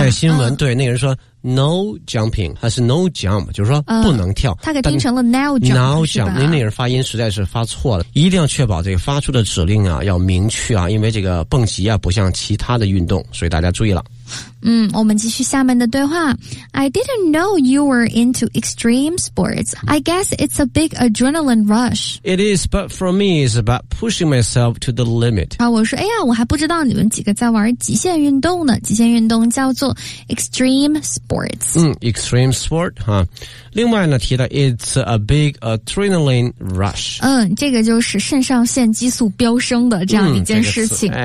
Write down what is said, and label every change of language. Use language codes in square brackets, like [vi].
[zh] 对，新闻、对，那个人说 [en] no jumping [zh] 还是 [en] no jump， [zh] 就是说不能跳、他给听成了 [en] now jump。 [zh] 那个人发音实在是发错了，一定要确保这个发出的指令啊要明确啊，因为这个蹦极啊不像其他的运动，所以大家注意了。我们继续下面的对话。 [en] I didn't know you were into extreme sports. I guess it's a big adrenaline rush. It is, but for me, it's about pushing myself to the limit. [zh] 我说，哎呀，我还不知道你们几个在玩极限运动呢。极限运动叫做 extreme sports. [en] Extreme sport, [zh] 另外呢，提到 [en] it's a big adrenaline rush. [zh] 这个就是肾上腺激素飙升的这样一件事情。